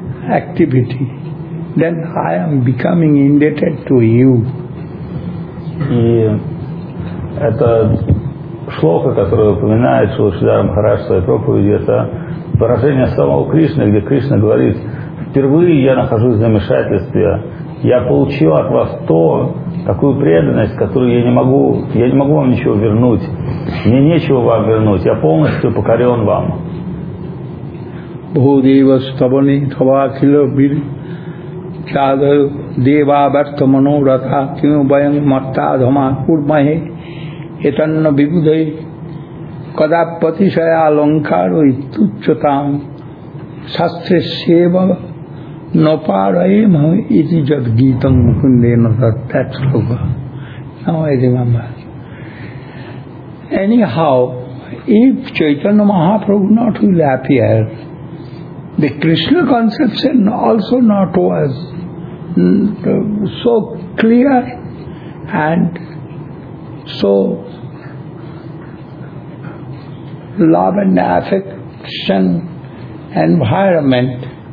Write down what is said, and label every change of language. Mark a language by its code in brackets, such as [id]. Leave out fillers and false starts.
[en] activity, then I am becoming indebted to you. [ru] И это шлока, которая упоминается у Шридхара Махараджа в своей проповеди, это выражение самого Кришны, где Кришна говорит: впервые я нахожусь в замешательстве, я получил от вас то, такую преданность, которую я не могу вам ничего вернуть, мне нечего вам вернуть, я полностью покорен вам. [sa] Бхудева ставани тавакхила бир чадар дева бартха мано ратха кима баян матта дхама курмахе етанна вибудхе кадапати шая аланкару иттучатам шастре сева Напараимхам ити джад гитам мукундена таттатслога. [en] Now I remember. Anyhow, if Chaitanya Mahaprabhu not will appear, the Krishna conception also not was so clear and so love and affection environment